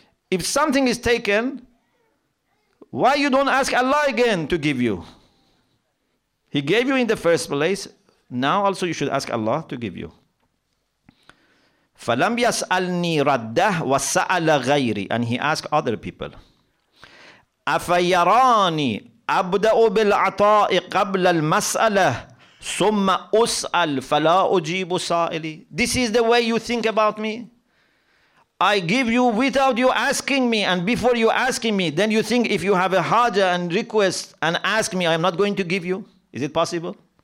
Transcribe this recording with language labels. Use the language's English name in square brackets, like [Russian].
[English] If something is taken, why you don't ask Allah again to give you? He gave you in the first place. Now also you should ask Allah to give you. [Arabic] فَلَمْ يَسْأَلْنِي رَدَّهُ وَسَأَلَ غَيْرِ, [English] and he asked other people. [Arabic] أَفَيَرَانِي أَبْدَأُ بِالْعَطَاءِ قَبْلَ الْمَسْأَلَةِ ثُمَّ أُسْأَلْ فَلَا أُجِيبُ سَائِلِي, [English] this is the way you think about me? I give you without you asking me and before you asking me, then you think if you have a haja and request and ask me, I'm not going to give you? Is it possible?